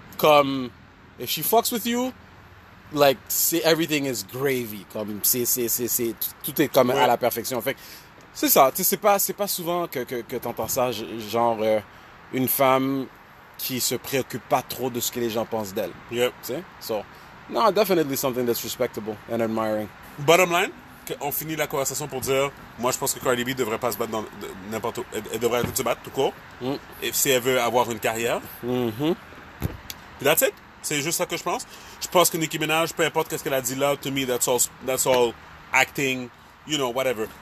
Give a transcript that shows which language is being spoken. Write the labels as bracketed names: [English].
[English] Comme, if she fucks with you, like, see, everything is gravy. [French] Comme, c'est, tout est comme ouais. à la perfection. Fait c'est ça. Tu sais, c'est pas souvent que t'entends ça, genre, une femme qui se préoccupe pas trop de ce que les gens pensent d'elle. [English] Yep. [French] Tu sais? [English] So, no, definitely something that's respectable and admiring. Bottom line? [French] On finit la conversation pour dire, moi je pense que Cardi B devrait pas se battre dans n'importe où. Elle devrait se battre tout court. Mm. Et si elle veut avoir une carrière. Mm-hmm. [English] Puis that's it. [French] C'est juste ça que je pense. Je pense que Nicki Minaj, peu importe ce qu'elle a dit là, [English] to me, that's all acting, you know, whatever.